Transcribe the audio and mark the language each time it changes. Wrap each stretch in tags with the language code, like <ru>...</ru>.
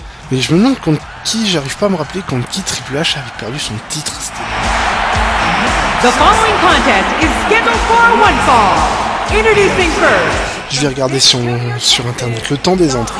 <fr>Mais je me demande contre qui, j'arrive pas à me rappeler contre qui Triple H avait perdu son titre.</fr> <en>The following contest is scheduled for a one fall. Introducing first.</en> <fr>Je vais regarder sur internet le temps des entrées.</fr>